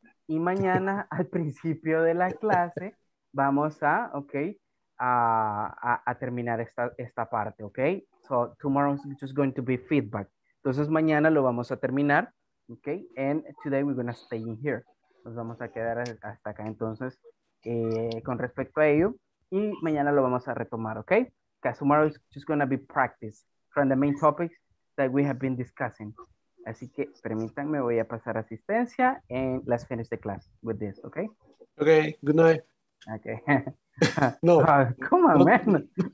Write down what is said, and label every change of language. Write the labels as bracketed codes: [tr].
[es] Y mañana, al principio de la clase, vamos a, ok, a terminar esta parte, ok. [en] So, tomorrow is just going to be feedback. [es] Entonces, mañana lo vamos a terminar, ok. [en] And today we're going to stay in here. [es] Nos vamos a quedar hasta acá, entonces, con respecto a ello. Y mañana lo vamos a retomar, ok. [en] Because tomorrow is just going to be practice from the main topics that we have been discussing. [es] Así que permítanme, voy a pasar asistencia en las [en] finish the class with this, [es] ¿ok? [en] Ok, good night. Ok. No. Come on, man.